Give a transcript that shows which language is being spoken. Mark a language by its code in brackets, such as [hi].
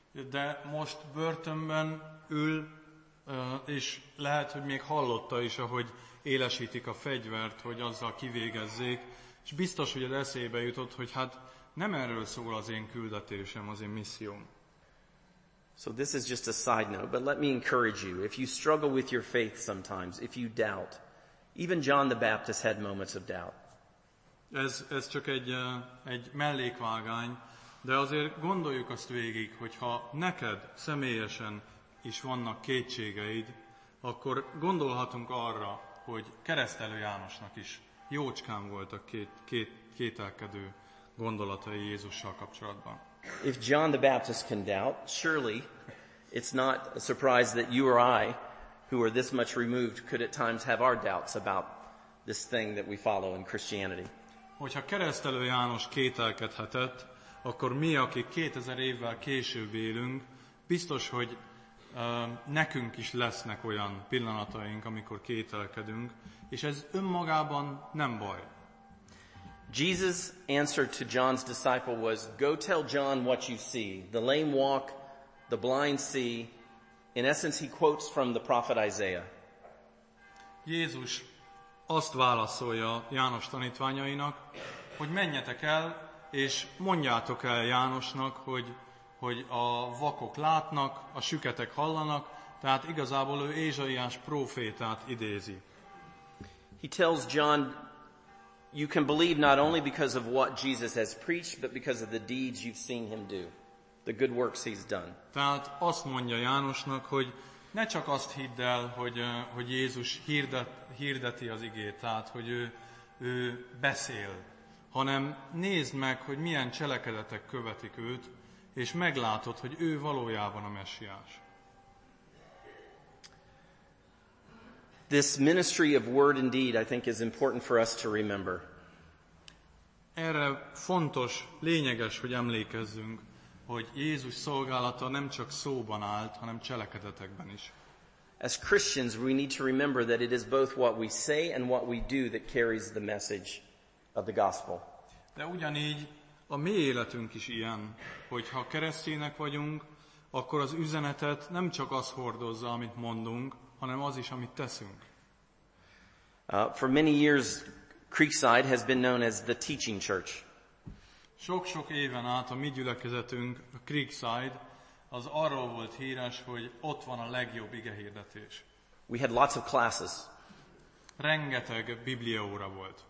[hu] De most börtönben ül, és lehet, hogy még hallotta is, ahogy élesítik a fegyvert, hogy azzal kivégezzék, és biztos, hogy az eszébe jutott, hogy hát nem erről szól az én küldetésem, az én misszióm. [en] So this is just a side note, but let me encourage you. If you struggle with your faith sometimes, if you doubt, even John the Baptist had moments of doubt. [hu] Ez csak egy mellékvágány, de azért gondoljuk azt végig, hogyha neked személyesen is vannak kétségeid, akkor gondolhatunk arra, hogy keresztelő Jánosnak is jócskán voltak kételkedő gondolatai Jézussal kapcsolatban. [en] If John the Baptist can doubt, surely it's not a surprise that you or I, who are this much removed, could at times have our doubts about this thing that we follow in Christianity. [hu] Hogyha keresztelő János kételkedhetett, akkor mi, akik 2000 évvel később élünk, biztos, hogy nekünk is lesznek olyan pillanataink, amikor kételkedünk, és ez önmagában nem baj. [en] Jesus' answer to John's disciple was, "Go tell John what you see. The lame walk, the blind see." In essence, he quotes from the prophet Isaiah. [hu] Jézus azt válaszolja János tanítványainak, hogy menjetek el, és mondjátok el Jánosnak, hogy a vakok látnak, a süketek hallanak, tehát igazából ő Ézsaiás prófétát idézi. [en] He tells John, you can believe not only because of what Jesus has preached, but because of the deeds you've seen him do, the good works he's done. [hu] Tehát azt mondja Jánosnak, hogy ne csak azt hidd el, hogy Jézus hirdeti az igét, tehát hogy ő beszél, hanem nézd meg, hogy milyen cselekedetek követik őt, és meglátod, hogy ő valójában a Messiás. [en] This ministry of word and deed, I think, is important for us to remember. [hu] Erre fontos, lényeges, hogy emlékezzünk, hogy Jézus szolgálata nem csak szóban állt, hanem cselekedetekben is. [en] As Christians, we need to remember that it is both what we say and what we do that carries the message of the gospel. [hu] De ugyanígy a mi életünk is ilyen, hogy ha keresztények vagyunk, akkor az üzenetet nem csak az hordozza, amit mondunk, hanem az is, amit teszünk. [en] For many years, Creekside has been known as the teaching church. [hu] Sok-sok éven át a mi gyülekezetünk, a Creekside, az arról volt híres, hogy ott van a legjobb igehirdetés. [en] We had lots of classes. [hu] Rengeteg Biblia óra volt.